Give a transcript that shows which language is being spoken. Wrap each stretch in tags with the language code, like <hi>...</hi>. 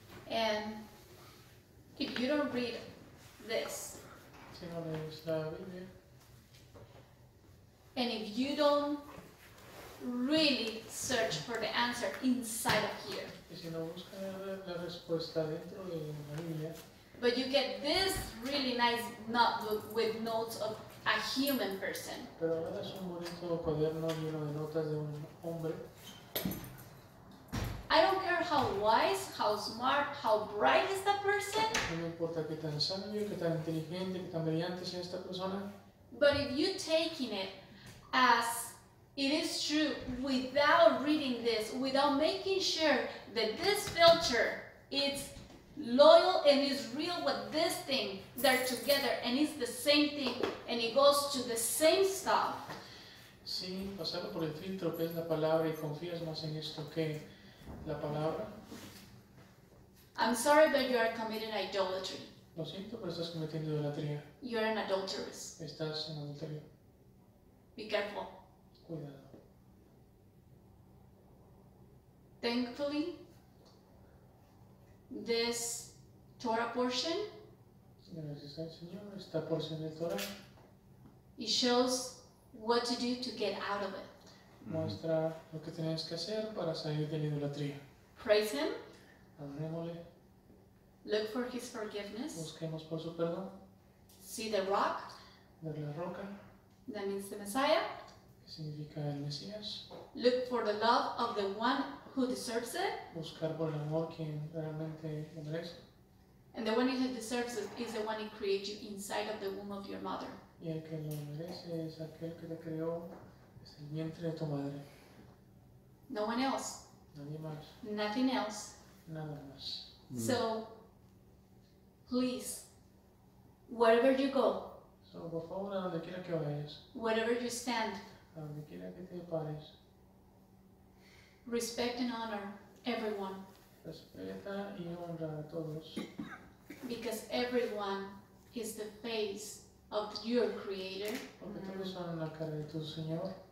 <en>And if you don't read this,</en> <es>si no lees la Biblia,</es> <en>and if you don't really search for the answer inside of here,</en> <es>y si no buscas la respuesta dentro de la Biblia,</es> <en>but you get this really nice notebook with notes of a human person.</en> <es>Pero ahora es un bonito cuaderno lleno de notas de un hombre.</es> <en>I don't care how wise, how smart, how bright is that person.</en> <es>No me importa qué tan sabio, qué tan inteligente, qué tan brillante sea esta persona.</es> <en>But if you're taking it as it is true without reading this, without making sure that this filter is loyal and is real with this thing, they're together and it's the same thing and it goes to the same stuff.</en> <es>Sí, pasarlo por el filtro que es la palabra y confías más en esto que la palabra.</es> <en>I'm sorry, but you are committing idolatry.</en> <es>Lo siento, pero estás cometiendo idolatría.</es> <en>You're an adulteress.</en> <es>Estás en adulterio.</es> <en>Be careful.</en> <es>Cuidado.</es> <en>Thankfully, this Torah portion,</en> <es>gracias al Señor, esta porción de Torah,</es> <en>it shows what to do to get out of it.</en> <es>Muestra lo que tenemos que hacer para salir de la idolatría.</es> <en>Praise him.</en> <es>Adorémosle.</es> <en>Look for his forgiveness.</en> <es>Busquemos por su perdón.</es> <en>See the rock.</en> <es>Ver la roca.</es> <en>That means the Messiah.</en> <es>Que significa el Mesías.</es> <en>Look for the love of the one who deserves it.</en> <es>Buscar por el amor quien realmente lo merece.</es> <en>And the one that deserves it is the one who created you inside of the womb of your mother.</en> <es>Y el que lo merece es aquel que te creó desde el vientre de tu madre.</es> <en>No one else.</en> <es>Nadie más.</es> <en>Nothing else.</en> <es>Nada más.</es> <en>So, please, wherever you go,</en> <es>so, por favor, a donde quiera que vayas,</es> <en>wherever you stand,</en> <es>a donde quiera que te pares,</es> <en>respect and honor everyone.</en> <es>Respeta y honra a todos.</es> <en>Because everyone is the face of your Creator.</en> <es>Porque todos son la cara de tu Señor.</es>